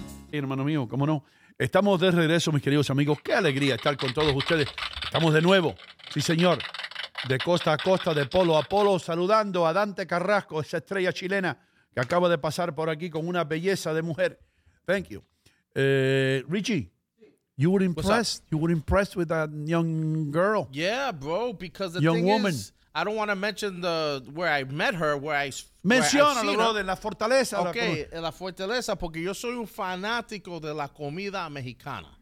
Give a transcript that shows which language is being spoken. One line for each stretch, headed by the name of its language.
Spanish: Hey, hermano mío, ¿cómo no? Estamos de regreso, mis queridos amigos. Qué alegría estar con todos ustedes. Estamos de nuevo, sí señor, de costa a costa, de polo a polo, saludando a Dante Carrasco, esa estrella chilena que acaba de pasar por aquí con una belleza de mujer.
English: Thank you. Richie, you were impressed. You were impressed with that young girl. Yeah, bro, because the young thing woman. Is, I don't want to mention the where I met her, where I
Spanish: menciona lo brother, la fortaleza. Okay, la fortaleza, porque yo soy un fanático de la comida mexicana.